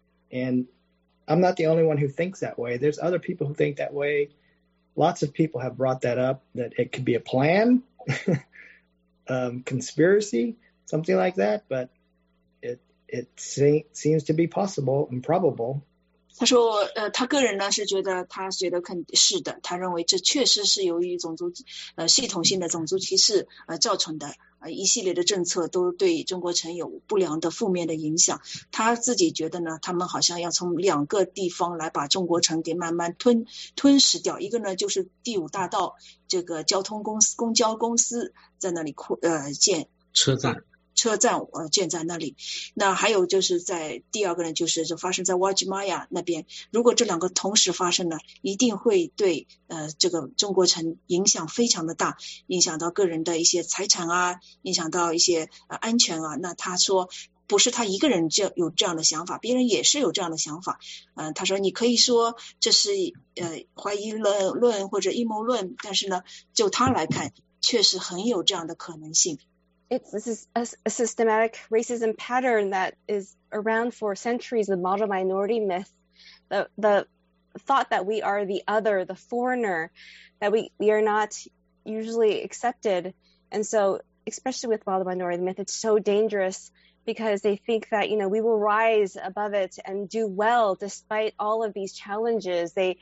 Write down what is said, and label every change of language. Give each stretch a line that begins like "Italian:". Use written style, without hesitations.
English: And I'm not the only one who thinks that way. There's other people who think that way. Lots of people have brought that up, that it could be a plan, conspiracy, something like that. But it seems to be possible and probable.
Chinese: 他说，他个人呢是觉得，他觉得肯定是的，他认为这确实是由于种族，系统性的种族歧视造成的，一系列的政策都对中国城有不良的负面的影响。他自己觉得呢，他们好像要从两个地方来把中国城给慢慢吞噬掉。一个呢就是第五大道这个交通公司公交公司在那里建车站。车站建在那里，那还有就是在第二个呢，就是就发生在瓦吉玛雅那边。如果这两个同时发生呢，一定会对这个中国城影响非常的大，影响到个人的一些财产啊，影响到一些安全啊。那他说不是他一个人就有这样的想法，别人也是有这样的想法。他说你可以说这是怀疑论或者阴谋论，但是呢，就他来看，确实很有这样的可能性。
English: This is a systematic racism pattern that is around for centuries, the model minority myth, the thought that we are the other, the foreigner, that we are not usually accepted. And so, especially with model minority myth, it's so dangerous because they think that, you know, we will rise above it and do well despite all of these challenges.